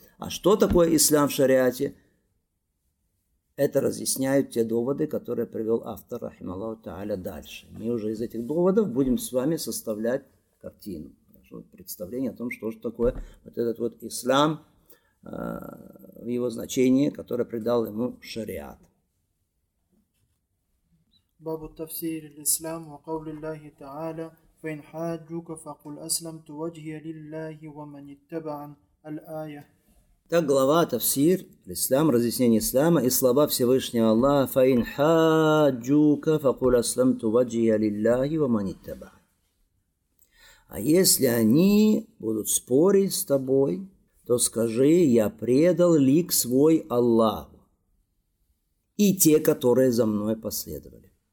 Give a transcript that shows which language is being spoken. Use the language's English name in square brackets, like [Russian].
[Russian] А что такое ислам в шариате? Это разъясняют те доводы, которые привел автор, рахималлаху та'аля, дальше. Мы уже из этих доводов будем с вами составлять картину, представление о том, что же такое вот этот вот ислам, его значение, которое придал ему шариат. [Arabic] باب التفسير للإسلام وقول الله تعالى فإن حاجوك فقل أسلمت وجهي لله ومن اتبع الآية. [Russian] Так глава «Тафсир», «Ислам», «Разъяснение Ислама» и слова Всевышнего Аллаха [Arabic] «Фаин хаджука факуль асламту ваджия лилляхи ва манитаба». [Russian] А если они будут спорить с тобой, то скажи «Я предал лик свой Аллаху и те, которые за мной последовали».